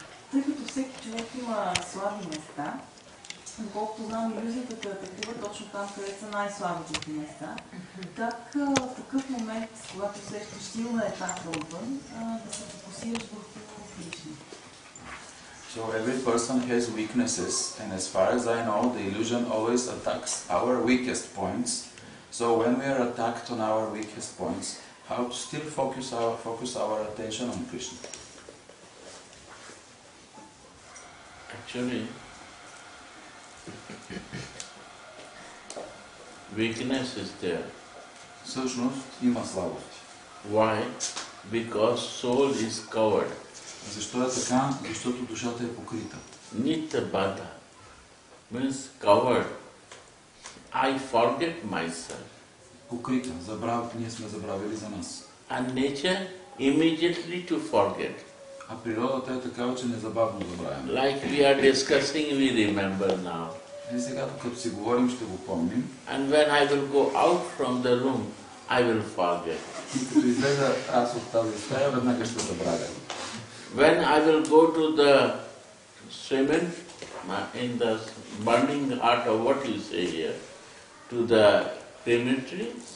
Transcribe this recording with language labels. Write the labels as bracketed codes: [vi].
[bg] Тъй като всеки човек има слаби места, колкото знам, иллюзията е такива точно там, където са най-слабите места. Как в такъв момент, когато усещаш силна етапа отвън, да се фокусираш върху Кришна? [en] So every person has weaknesses, and as far as I know, the illusion always attacks our weakest points. So when we are attacked on our weakest points, how to still focus our attention on Krishna? Actually, weakness is there. [bg] Всъщност има слабости. [en] Why? Because soul is covered. [bg] Защо е така? Защото душата е покрита. [en] Nitya bada means covered. I forget myself. [bg] Покрита. Ние сме забравили за нас. [en] And nature immediately to forget. [bg] А природата е такава, че незабавно забравя. [en] Like we are discussing, we remember now. [bg] И сега, като си говорим, ще го помним. [en] And when I will go out from the room, I will forget. [bg] И като излезе аз от тази стая, веднага ще забравя. [en] When I will go to the cement, in the burning heart of what you say here, to the cemetery.